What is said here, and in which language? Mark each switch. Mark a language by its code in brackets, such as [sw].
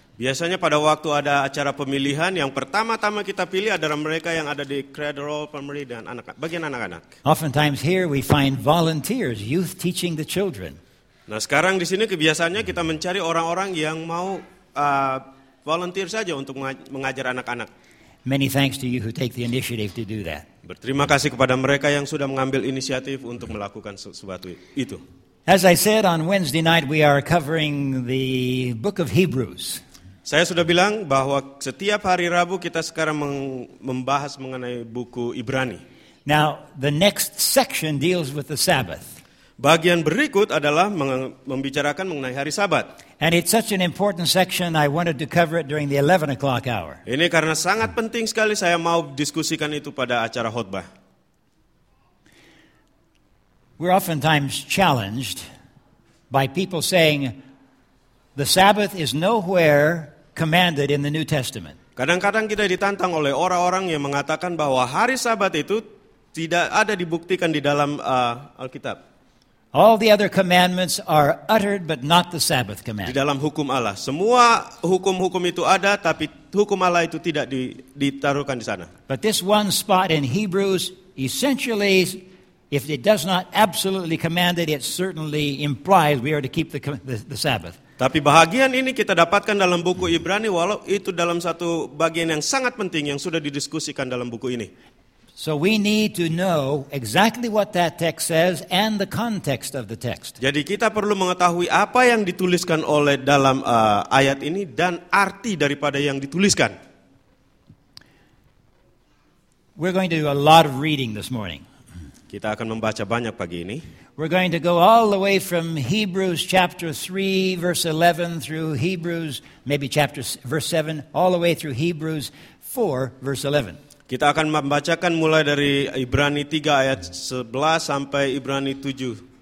[id] Biasanya pada waktu ada acara pemilihan, yang pertama-tama kita pilih adalah mereka yang ada di cradle, primary, dan anak, bagian anak-anak. [en] Oftentimes here we find volunteers, youth teaching the children. [id] Nah, sekarang di sini kebiasaannya kita mencari orang-orang yang mau volunteer saja untuk mengajar anak-anak. [en] Many thanks to you who take the initiative to do that. [id] Berterima kasih kepada mereka yang sudah mengambil inisiatif untuk melakukan sesuatu itu. [en] As I said, on Wednesday night we are covering the book of Hebrews. [id] Saya sudah bilang bahwa setiap hari Rabu kita sekarang membahas mengenai buku Ibrani. [en] Now, the next section deals with the Sabbath. [id] Bagian berikut adalah membicarakan mengenai hari Sabat. [en] And it's such an important section, I wanted to cover it during the 11 o'clock hour. [id] Ini karena sangat penting sekali, saya mau diskusikan itu pada acara khotbah. [en] We're oftentimes challenged by people saying the Sabbath is nowhere commanded in the New Testament. [id] Kadang-kadang kita ditantang oleh orang-orang yang mengatakan bahwa hari Sabat itu tidak ada dibuktikan di dalam Alkitab. [en] All the other commandments are uttered, but not the Sabbath command. [id] Di dalam hukum Allah, semua hukum-hukum itu ada, tapi hukum Allah itu tidak ditaruhkan di sana. [en] But this one spot in Hebrews essentially, if it does not absolutely command it, it certainly implies we are to keep the Sabbath. [id] Tapi bahagian ini kita dapatkan dalam buku Ibrani, walau itu dalam satu bagian yang sangat penting yang sudah didiskusikan dalam buku ini. [en] So we need to know exactly what that text says and the context of the text. [id] Jadi kita perlu mengetahui apa yang dituliskan oleh dalam ayat ini dan arti daripada yang dituliskan. [en] We're going to do a lot of reading this morning. [id] Kita akan membaca banyak pagi ini. [en] We're going to go all the way from Hebrews chapter 3 verse 11 through Hebrews maybe chapter verse 7 all the way through Hebrews 4 verse 11. [id] Kita akan membacakan mulai dari Ibrani 3 ayat 11 sampai Ibrani 7.